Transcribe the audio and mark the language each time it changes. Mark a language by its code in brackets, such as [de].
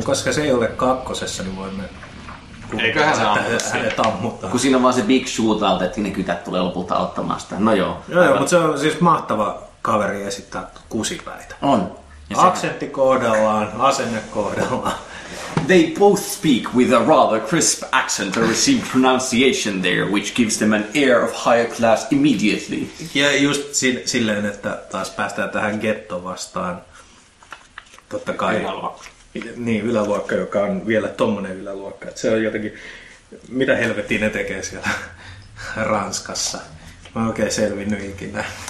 [fi] No koska se ei ole kakkosessa, niin voimme eiköhän se ammuta. Hänet ammutaan. Kun siinä on vaan se [en] big shootout, [fi] että ne kytät tulee lopulta ottamaan sitä. No joo. Joo, mutta se on siis mahtava kaveri esittää kusipäitä. On. Ja aksentti kohdallaan, asenne kohdallaan. [en] They both speak with a rather crisp accent, a received pronunciation there, which gives them an air of higher class immediately. [fi] Ja just silleen, että taas päästään tähän ghetto vastaan. Totta kai. Yläluokka. Niin, yläluokka, joka on vielä tommonen yläluokka. Että se on jotenkin, mitä helvettiä ne tekee siellä Ranskassa. Mä oon oikein selvinnyt ikinä.